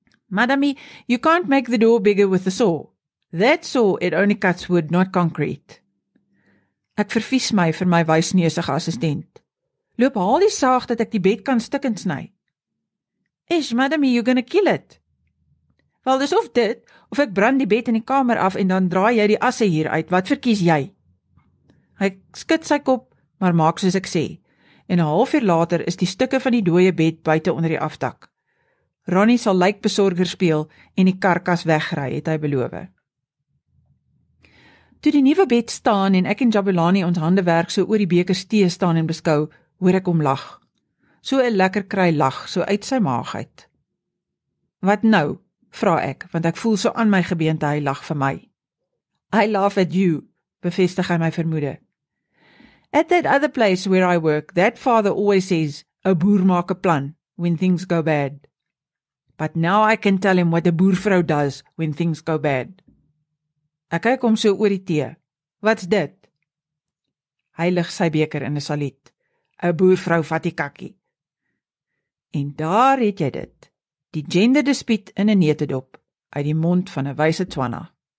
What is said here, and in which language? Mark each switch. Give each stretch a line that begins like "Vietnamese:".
English: Madame, you can't make the door bigger with a saw. That saw, it only cuts wood, not concrete.
Afrikaans: Ek vervies my vir my wysneusige assistent. Loop haal die saag dat ek die bed kan stikkend sny.
English: Ish, madame, you're gonna kill it.
Afrikaans: Wel, dis of dit, of ek brand die bed in die kamer af en dan draai jy die asse hier uit. Wat verkies jy? Hy skud sy kop, maar maak soos ek sê. En 'n halfuur later is die stukke van die dooie bed buite onder die afdak. Ronnie sal lijkbesorger speel en die karkas wegry, het hy beloof. Toe die nuwe bed staan en ek en Jabulani ons hande werk so oor die bekers tee staan en beskou, hoor ek hom lag. So 'n lekker kry lag, so uit sy maag uit. Wat nou? Vra ek, want ek voel so aan my gebeente hy lag vir my.
English: I laugh at you,
Afrikaans: bevestig hy my vermoede.
English: At that other place where I work, that father always says, a boer
Afrikaans: maak 'n plan
English: when things go bad. But now I can tell him what a boervrou does when things go bad.
Afrikaans: Ek kyk hom so oor die tee. Wat's dit? Hy lig sy beker in 'n saluut. 'n Boervrou vat die kakkie. En daar het jy dit. Die gender dispuut in 'n netedop uit die mond van 'n wyse twanna.